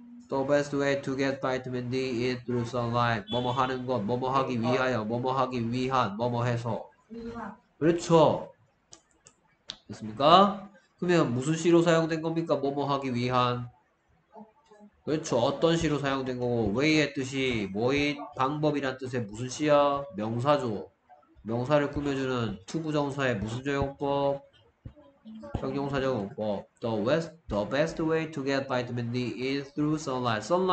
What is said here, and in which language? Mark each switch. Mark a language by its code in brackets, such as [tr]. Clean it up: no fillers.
[en] The best way to get vitamin D is through sunlight. [ko] 뭐뭐 하는 것, 뭐뭐 하기 위하여, 뭐뭐 하기 위한, 뭐뭐 해서. 그렇죠. 됐습니까? 그러면 무슨 시로 사용된 겁니까? 뭐뭐 하기 위한. 그렇죠. 어떤 시로 사용된 거고, way의 뜻이 뭐인 방법이란 뜻의 무슨 시야? 명사죠. 명사를 꾸며주는 to 부정사의 무슨 조용법? 형용사적용법. [en] The best way to get vitamin D is through sunlight.